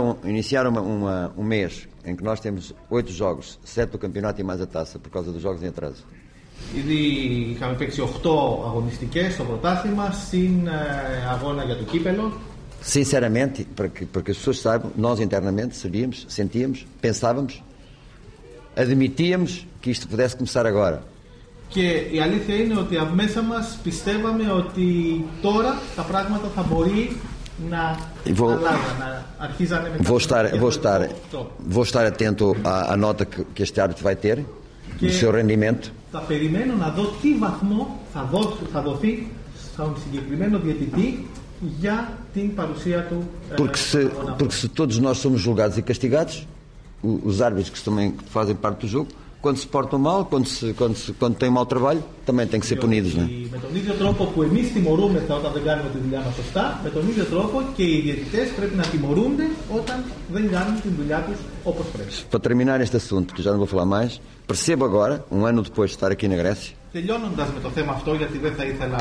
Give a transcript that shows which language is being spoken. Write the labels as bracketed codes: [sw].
[pt] Iniciaram um mês em que nós temos 8 jogos, 7 do campeonato e mais a taça por causa dos jogos em atraso. [el] Ήδη είχαμε παίξει 8 αγωνιστικές στο πρωτάθλημα συν αγώνα για το κύπελλο. [pt] Sinceramente, porque as pessoas saibam, nós internamente sabíamos, sentíamos, pensávamos, admitíamos que isto pudesse começar agora. [el] Και η αλήθεια είναι ότι μέσα μας πιστεύαμε ότι τώρα τα πράγματα θα μπορεί να αρχίζανε μετά. [pt] Vou estar atento à nota que este árbitro vai ter no seu rendimento. [el] Θα περιμένω να δω τι βαθμό θα δοθεί στον συγκεκριμένο διαιτητή για την παρουσία του. [pt] Porque se todos nós somos julgados e castigados, os árbitros que também fazem parte do jogo, quando se portam mal, quando têm mau trabalho, também têm que ser punidos, né? [el] Με τον ίδιο τρόπο που εμείς τιμωρούμεθα όταν δεν κάνουμε τη δουλειά μας σωστά, με τον ίδιο τρόπο και οι διαιτητές πρέπει να τιμωρούνται όταν δεν κάνουν τη δουλειά τους όπως πρέπει. [pt] Para terminar este assunto, que já não vou falar mais, percebo agora, um ano depois de estar aqui na Grécia. [el] Τελειώνοντας με το θέμα αυτό, γιατί δεν θα ήθελα.